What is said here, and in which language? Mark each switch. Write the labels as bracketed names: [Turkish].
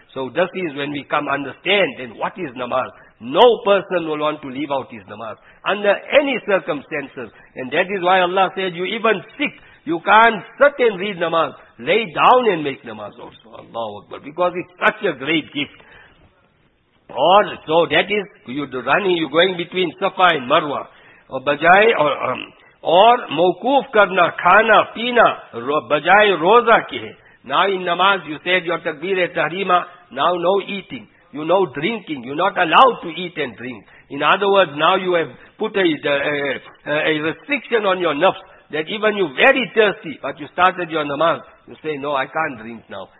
[English] So this is when we come understand, then what is namaz? No person will want to leave out his namaz, under any circumstances. And that is why Allah said, you even sick, you can't sit and read namaz. Lay down and make namaz also, Allahu Akbar, because it's such a great gift. Or, so that is, you're running, you're going between Safa and Marwa. Or bajai, [Urdu] اور موقوف کرنا کھانا پینا بجائے روزہ کے. [English] Now in namaz you said your takbir e tahreema, now no eating, you no drinking, you not allowed to eat and drink. In other words, now you have put a restriction on your nafs, that even you very thirsty, but you started your namaz, you say, no, I can't drink now.